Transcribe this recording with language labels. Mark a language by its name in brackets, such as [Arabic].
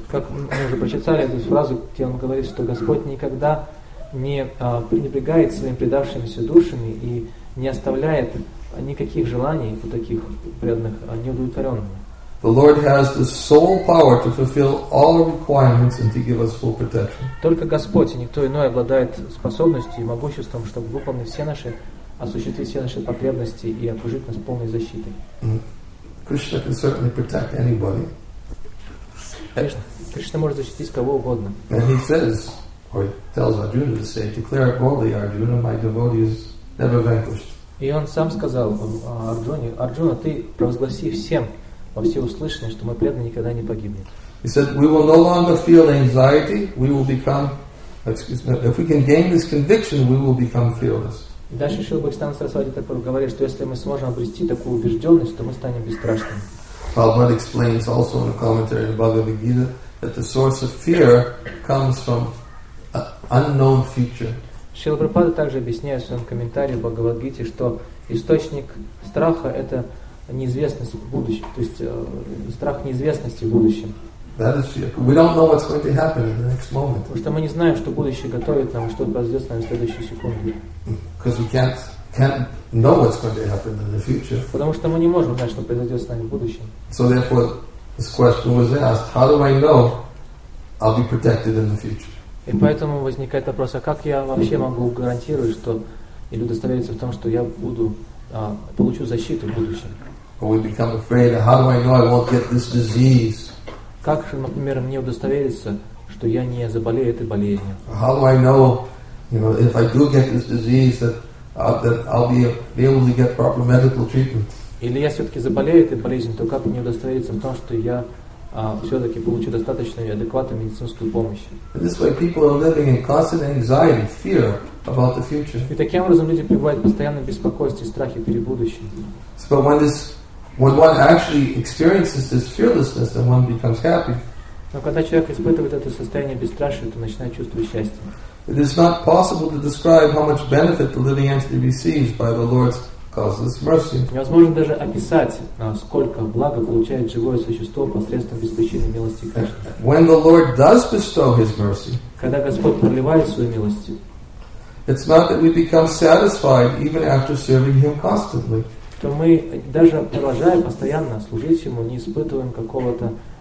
[Russian] Как мы уже прочитали эту фразу, где он говорит, что Господь никогда не пренебрегает своим предавшимися душами и не оставляет никаких желаний у таких преданных неудовлетворенными. [English] The Lord has the sole power to fulfill all requirements and to give us full protection. [Russian] Только Господь и никто иной обладает способностью и могуществом, чтобы выполнить все наши, осуществить все наши потребности и окружить нас полной защитой. [English] Krishna can certainly protect anybody. [Russian] Кришна может защитить кого угодно. [English] And he says, or tells Arjuna to say, declare boldly, Arjuna, my devotee is never vanquished. [Russian] И он сам сказал Арджуне, Арджуна, ты провозгласи всем во всеуслышание, что мой преданный никогда не погибнет. [English] He said, we will no longer feel anxiety, we will become, excuse me, if we can gain this conviction, we will become fearless. [Russian] И дальше Шрила Бхактисиддханта Сарасвати Такур говорит, что если мы сможем обрести такую убежденность, то мы станем бесстрашными. [English] Prabhupada explains also in a commentary in Bhagavad Gita that the source of fear comes from an unknown future. [Russian] Шрила Прабхупада также объясняет в своем комментарии в Бхагавад Гите, что источник страха – это неизвестность в будущем, то есть страх неизвестности в будущем. [English] That is fear. We don't know what's going to happen in the next moment. [Russian] Потому что мы не знаем, что будущее готовит нам, что произойдет с нами в следующую секунду. [English] Because we can't know what's going to happen in the future. [Russian] Потому что мы не можем знать, что произойдет с нами в будущем. [English] So therefore, this question was asked: How do I know I'll be protected in the future? [Russian] И поэтому возникает вопрос: а как я вообще могу гарантировать, что или удостовериться в том, что я буду получу защиту в будущем? [English] Or we become afraid: How do I know I won't get this disease? [Russian] Как же, например, мне удостовериться, что я не заболею этой болезнью? [English] How do I know, you know, if I do get this disease, that I'll be able to get proper medical treatment? [Russian] Или я все-таки заболею этой болезнью, то как мне удостовериться в том, что я все-таки получу достаточную и адекватную медицинскую помощь? [English] This way people are living in constant anxiety, fear about the future. [Russian] И таким образом люди пребывают в постоянном беспокойстве и страхе перед будущим. [English] So when one actually experiences this fearlessness, then one becomes happy. [Russian] Но когда человек испытывает это состояние бесстрашия, то начинает чувствовать счастье. [English] It is not possible to describe how much benefit the living entity receives by the Lord's causeless mercy. [Russian] Невозможно даже описать, сколько блага получает живое существо посредством беспричинной милости Кришны. [English] When the Lord does bestow His mercy, [Russian] когда Господь проливает свою милость, [English] it's not that we become satisfied even after serving Him constantly. [Russian] То мы, даже продолжая постоянно служить Ему, не испытываем какого-то...